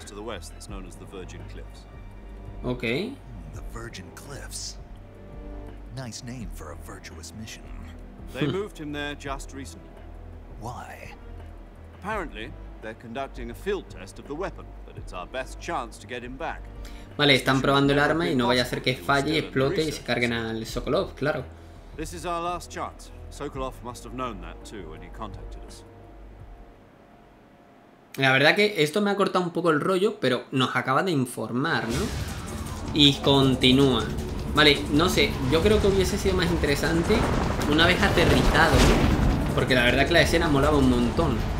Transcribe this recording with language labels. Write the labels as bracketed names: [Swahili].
[English] To the west, it's known as the Virgin Cliffs. Okay. The Virgin Cliffs. Nice name for a virtuous mission. They moved him there just recently. Why? Apparently, they're conducting a field test of the weapon, but it's our best chance to get him back. [Spanish] Vale, están probando el arma y no vaya a ser que falle, explote y se carguen al Sokolov, claro. [English] This is our last chance. Sokolov must have known that too when he contacted us. [Spanish] La verdad que esto me ha cortado un poco el rollo, pero nos acaba de informar, ¿no? Y continúa. Vale, no sé, yo creo que hubiese sido más interesante una vez aterrizado, ¿no? Porque la verdad que la escena molaba un montón.